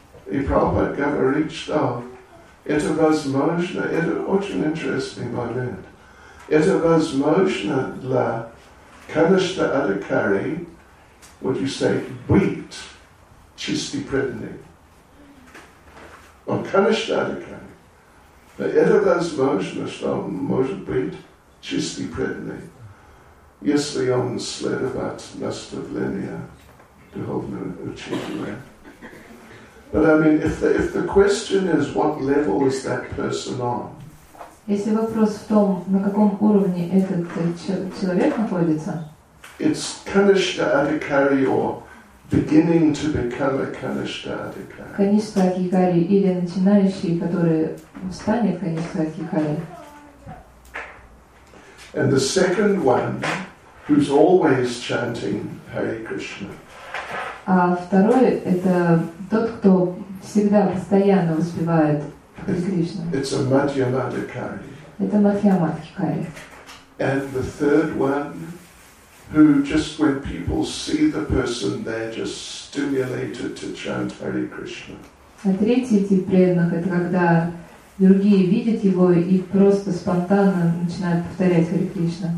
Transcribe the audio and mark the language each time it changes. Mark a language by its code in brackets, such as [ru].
[ru] И Прабхупада говорит, что это возможно, это очень интересный момент, это возможно для каништа адикари, [en] would you say, [ru] бит чистый преданный. Он каништа адикари. Но это возможно, что он может быть чистый преданный, если он следует наставления духовного учителя. [en] But I mean, if the question is, what level is that person on? [ru] Если вопрос в том, на каком уровне этот человек находится? [en] It's каништа адикари, or beginning to become a kanishta adhikari. [ru] Kanishta adhikari, или начинающий, который станет kanishta adhikari. [en] And the second one, who's always chanting Hare Krishna. [ru] А второй — это тот, кто всегда постоянно воспевает Hare Krishna. [en] It's a madhyama adhikari. [ru] Это мадхьяма адхикари. [en] And the third one, who just when people see the person, they're just stimulated to chant Hare Krishna. [ru] А третий тип преданных — это когда другие видят его и просто спонтанно начинают повторять Hare Krishna.